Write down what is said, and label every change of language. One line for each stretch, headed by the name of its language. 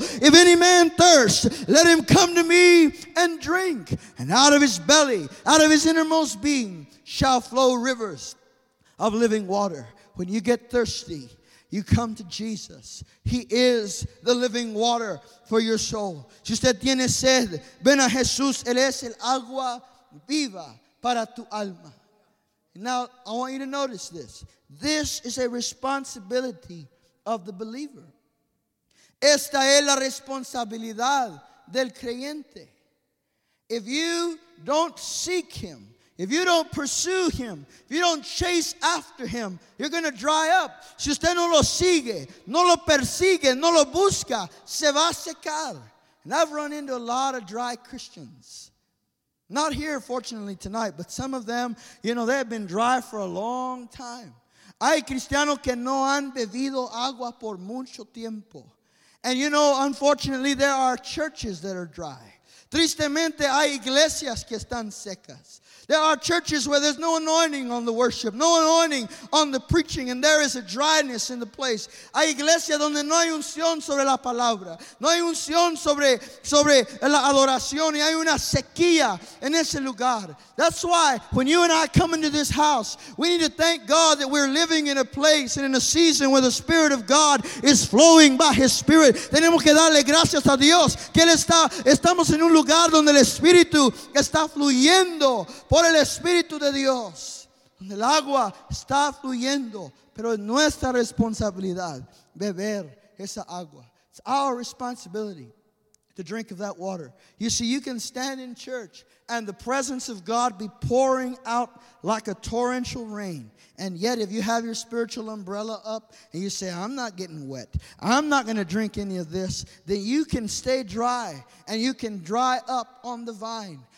English: If any man thirst, let him come to me and drink, and out of his belly, out of his innermost being, shall flow rivers of living water. When you get thirsty, you come to Jesus. He is the living water for your soul.
Spanish: Si usted tiene sed, ven a Jesús. Él es el agua viva para tu alma.
English: Now, I want you to notice this. This is a responsibility of the believer.
Spanish: Esta es la responsabilidad del creyente.
English: If you don't seek Him, if you don't pursue Him, if you don't chase after Him, you're going to dry up.
Spanish: Si usted no lo sigue, no lo persigue, no lo busca, se va a secar.
English: And I've run into a lot of dry Christians. Not here, fortunately, tonight, but some of them, you know, they've been dry for a long time.
Spanish: Hay cristianos que no han bebido agua por mucho tiempo.
English: And, you know, unfortunately, there are churches that are dry.
Spanish: Tristemente, hay iglesias que están secas.
English: There are churches where there's no anointing on the worship, no anointing on the preaching, and there is a dryness in the place.
Spanish: Hay iglesias donde no hay unción sobre la palabra, no hay unción sobre la adoración, y hay una sequía en ese lugar.
English: That's why when you and I come into this house, we need to thank God that we're living in a place and in a season where the Spirit of God is flowing by His Spirit.
Spanish: Tenemos que darle gracias a Dios que estamos en un lugar donde el Espíritu está fluyendo. Por el Espíritu de Dios, donde el agua está fluyendo, pero es nuestra responsabilidad beber esa agua.
English: It's our responsibility to drink of that water. You see, you can stand in church and the presence of God be pouring out like a torrential rain. And yet, if you have your spiritual umbrella up and you say, I'm not getting wet, I'm not going to drink any of this, then you can stay dry and you can dry up on the vine.